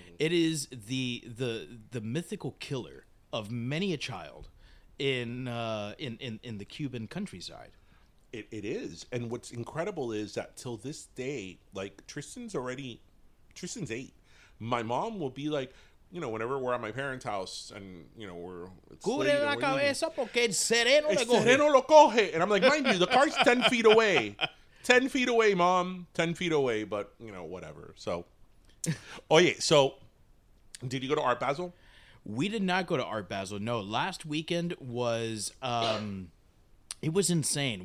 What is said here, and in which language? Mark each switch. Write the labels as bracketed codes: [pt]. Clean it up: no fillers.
[en] It is the mythical killer of many a child in the Cuban countryside. It is. And what's incredible is that till this day, like Tristan's 8. My mom will be like, you know, whenever we're at my parents' house and, you know, we're... [es] Cubre la cabeza porque el sereno le coge. El sereno lo coge. [en] And I'm like, mind you, the car's 10 feet away. 10 feet away, mom. 10 feet away. But, you know, whatever. So, oye, so did you go to Art Basel? We did not go to Art Basel. No, last weekend was... It was insane.